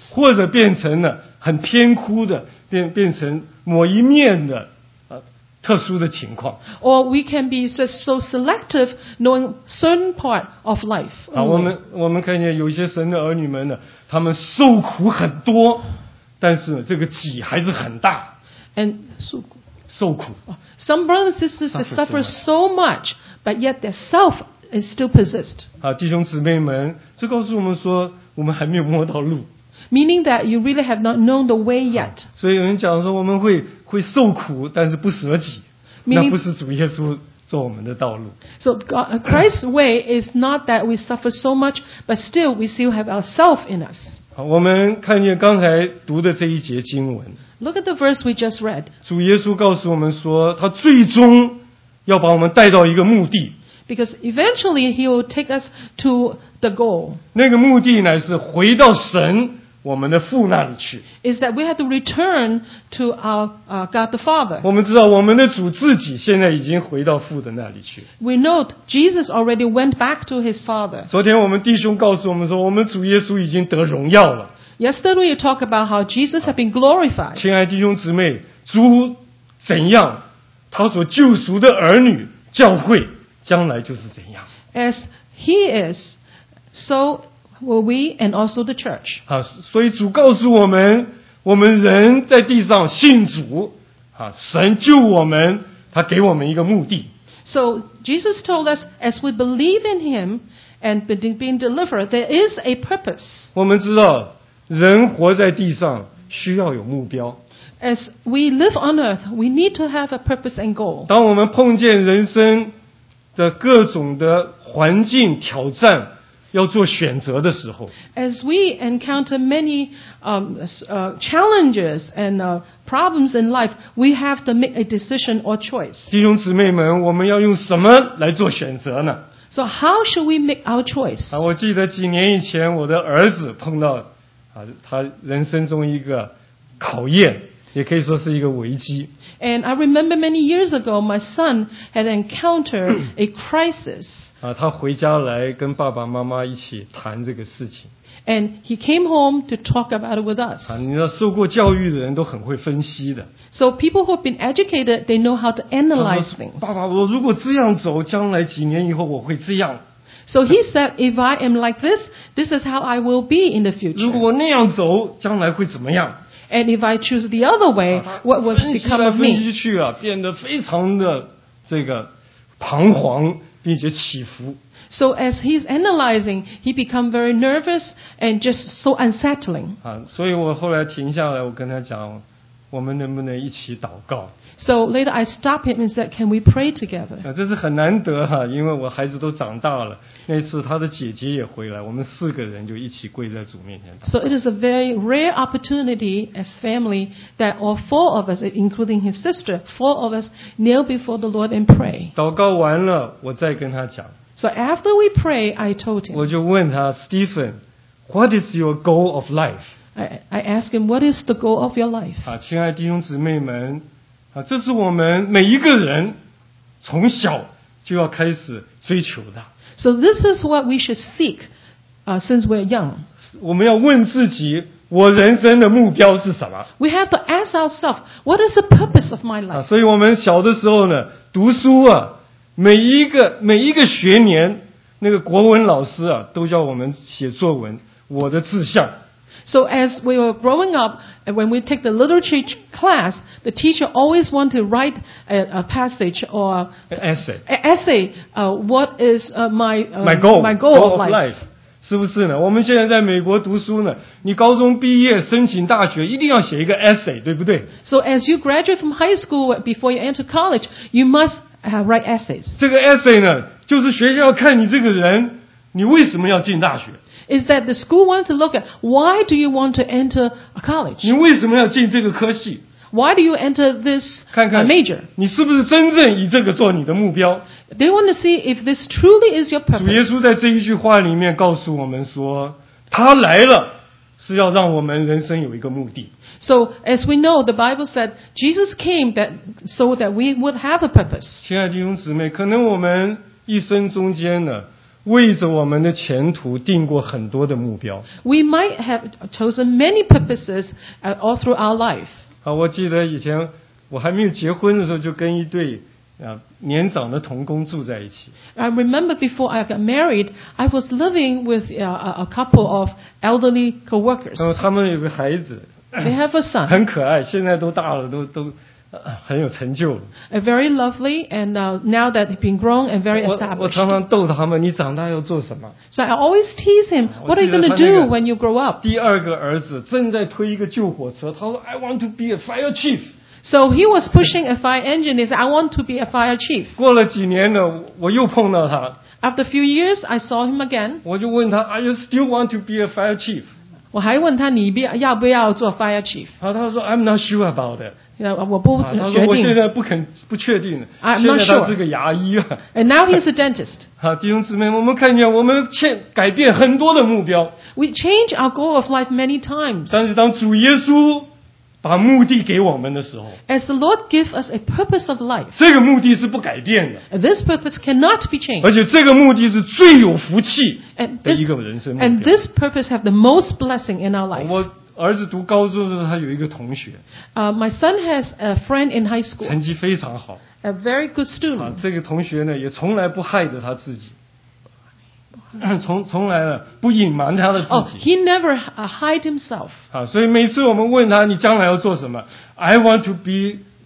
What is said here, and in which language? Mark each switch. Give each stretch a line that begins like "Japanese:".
Chinese: 或者变成了很偏枯的，变成某一面的特殊的情况。
English: Or we can be so selective, knowing certain part of life.
Chinese: 我们看见有些神的儿女们呢，他们受苦很多，但是这个己还是很大。
English: And
Chinese: 受苦。
English: Some brothers and sisters suffer so much, but yet their self is still possessed.
Chinese: 弟兄姊妹们，这告诉我们说，我们还没有摸到路。
English: Meaning that you really have not known the way yet.
Chinese: 所以有人讲说，我们会受苦，但是不舍己。
English: Meaning,
Chinese: 那不是主耶稣做我们的道路。
English: So Christ's way is not that we suffer so much, but still we still have our self in us.
Chinese: 我们看见刚才读的这一节经文。
English: Look at the verse we just read.
Chinese: 主耶稣告诉我们说，他最终要把我们带到一个目的。
English: Because eventually he will take us to the goal.
Chinese: 那个目的乃是回到神我们的父那里去。
English: Is that we have to return to our God the Father.
Chinese: 我们知道我们的主自己现在已经回到父的那里去。
English: We know Jesus already went back to his Father.
Chinese: 昨天我们弟兄告诉我们说，我们主耶稣已经得荣耀了。
English: Yesterday you talk about how Jesus had been glorified.
Chinese: 亲爱弟兄姊妹，主怎样，他所救赎的儿女教会将来就是怎样。
English: As he is, so will we and also the church.
Chinese: 所以主告诉我们，我们人在地上信主，神救我们，他给我们一个目的。
English: So Jesus told us, as we believe in Him and being delivered, there is a purpose.
Chinese: 我们知道，人活在地上需要有目标。
English: As we live on earth, we need to have a purpose and goal.
Chinese: 当我们碰见人生的各种的环境挑战，要做选择的时候。
English: As we encounter many challenges and problems in life, we have to make a decision or choice.
Chinese: 弟兄姊妹们，我们要用什么来做选择呢？
English: So how should we make our choice?
Chinese: 我记得几年以前，我的儿子碰到他人生中一个考验，也可以说是一个危机。
English: And I remember many years ago, my son had encountered a crisis.
Chinese: 他回家来跟爸爸妈妈一起谈这个事情。
English: And he came home to talk about it with us.
Chinese: 你知道，受过教育的人都很会分析的。
English: So people who have been educated, they know how to analyze things.
Chinese: 爸爸，我如果这样走，将来几年以后我会这样。
English: So he said, if I am like this, this is how I will be in the future.
Chinese: 如果我那样走，将来会怎么样？
English: And if I choose the other way, what would become of me?
Chinese: 分析来分析去啊，变得非常的这个彷徨，并且起伏。
English: So as he's analyzing, he become very nervous and just so unsettling.
Chinese: 所以我后来停下来，我跟他讲，我们能不能一起祷告？
English: So later I stopped him and said, can we pray together?
Chinese: 这是很难得啊，因为我孩子都长大了。那次他的姐姐也回来，我们四个人就一起跪在主面前祷告。
English: So it is a very rare opportunity as family that all four of us, including his sister, four of us kneel before the Lord and pray.
Chinese: 祷告完了，我再跟他讲。
English: So after we pray, I told him.
Chinese: 我就问他
English: ,Stephen, what is your goal of life? I ask him, what is the goal of your life?
Chinese: 亲爱弟兄姊妹们，这是我们每一个人从小就要开始追求的。
English: So this is what we should seek, since we're young.
Chinese: 我们要问自己，我人生的目标是什么？
English: We have to ask ourselves, what is the purpose of my life?
Chinese: 所以我们小的时候呢，读书啊，每一个学年，那个国文老师啊，都叫我们写作文，我的志向。
English: So as we were growing up, when we take the literature class, the teacher always wanted to write a passage or an essay, what is my goal of life.
Chinese: 是不是呢？我们现在在美国读书呢，你高中毕业申请大学一定要写一个 essay, 对不对？
English: So as you graduate from high school, before you enter college, you must write essays.
Chinese: 这个 essay 呢，就是学校要看你这个人，你为什么要进大学。
English: Is that the school wants to look at why do you want to enter a college?
Chinese: 你为什么要进这个科系？
English: Why do you enter this major?
Chinese: 看看
English: major?
Chinese: 你是不是真正以这个做你的目标？
English: They want to see if this truly is your purpose.
Chinese: 主耶稣在这一句话里面告诉我们说，他来了是要让我们人生有一个目的。
English: So as we know, the Bible said Jesus came that so that we would have a purpose.
Chinese: 亲爱的弟兄姊妹，可能我们一生中间呢，为着我们的前途定过很多的目标。
English: We might have chosen many purposes all through our life.
Chinese: 我记得以前我还没有结婚的时候，就跟一对年长的同工住在一起。
English: I remember before I got married, I was living with a couple of elderly co-workers.
Chinese: 他们有个孩子。
English: They have a son.
Chinese: 很可爱，现在都大了，都很有成就。
English: A very lovely, and now that he's been grown and very established.
Chinese: 我常常逗他们，你长大要做什么？
English: So I always tease him, what are you going to do when you grow up?
Chinese: 第二个儿子正在推一个救火车，他说
English: I want to be a fire chief. So he was pushing a fire engine, he said, I want to be a fire chief.
Chinese: 过了几年呢，我又碰到他。
English: After a few years, I saw him again.
Chinese: 我就问他
English: ,Are you still want to be a fire chief?
Chinese: 我还问他你要不要做 fire chief? 他说
English: I'm not sure about it.
Chinese: 我不决定。他说我现在不确定。
English: I'm not sure.
Chinese: 现在他是个牙医啊。
English: And now he's a dentist.
Chinese: 弟兄姊妹，我们看见我们改变很多的目标。
English: We change our goal of life many times.
Chinese: 但是当主耶稣把目的给我们的时候，
English: As the Lord gives us a purpose of life.
Chinese: 这个目的是不改变的。
English: This purpose cannot be changed.
Chinese: 而且这个目的是最有福气的一个人生目标。
English: And this purpose has the most blessing in our life.
Chinese: 我儿子读高中的时候，他有一个同学。
English: My son has a friend in high school.
Chinese: 成绩非常好。
English: A very good student.
Chinese: 这个同学呢，也从来不害得他自己。从来呢，不隐瞒他的自己。
English: He never hide himself.
Chinese: 所以每次我们问他，你将来要做什么？
English: I want to be